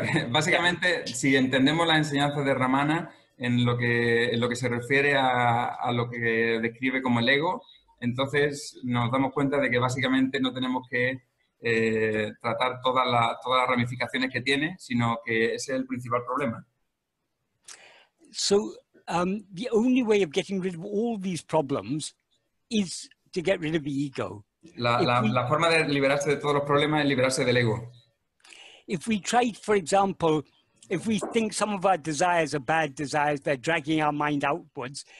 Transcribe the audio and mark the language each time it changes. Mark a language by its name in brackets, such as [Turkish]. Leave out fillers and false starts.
[Spanish] básicamente, si entendemos la enseñanza de Ramana en lo que se refiere a lo que describe como el ego, entonces nos damos cuenta de que básicamente no tenemos que tratar todas las ramificaciones que tiene, sino que ese es el principal problema. [English] So, the only way of getting rid of all these problems is to get rid of the ego. [Spanish] La forma de liberarse de todos los problemas es liberarse del ego. [English] If we try, for example, if we think some of our desires are bad desires, they're dragging our mind outwards.